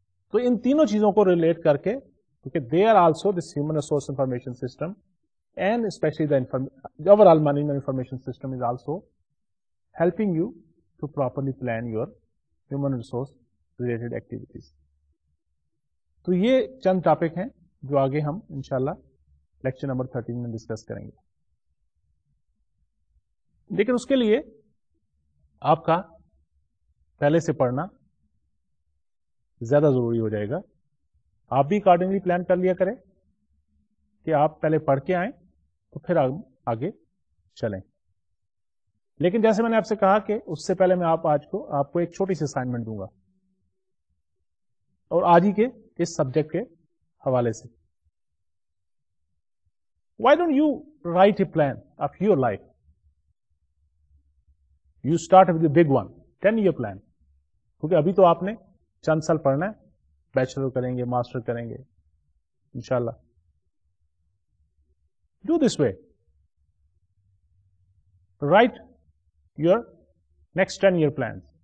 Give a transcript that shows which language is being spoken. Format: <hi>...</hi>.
<ur>So in teenon cheezon ko relate karke, kyunki</ur> <en>they are also this human resource information system and especially the overall management information system is also helping you to properly plan your human resource related activities.</en> <ur>تو یہ چند topic ہیں جو آگے ہم ان شاء اللہ lecture number 13 میں discuss کریں گے. لیکن اس کے لیے آپ کا پہلے سے پڑھنا زیادہ ضروری ہو جائے گا. آپ بھی اکارڈنگلی پلان کر لیا کریں کہ آپ پہلے پڑھ کے آئیں تو پھر آگے چلیں. لیکن جیسے میں نے آپ سے کہا کہ اس سے پہلے میں آپ کو ایک چھوٹی سی اسائنمنٹ دوں گا, اور آج ہی کے اس سبجیکٹ کے حوالے سے.</ur> <en>Why don't you write a plan of your life? You start with a big one, 10-year plan.</en> <ur>کیونکہ ابھی تو آپ نے چند سال پڑھنا ہے, بیچلر کریں گے, ماسٹر کریں گے انشاءاللہ.</ur> <en>Do this way. Write your next 10-year plans.</en>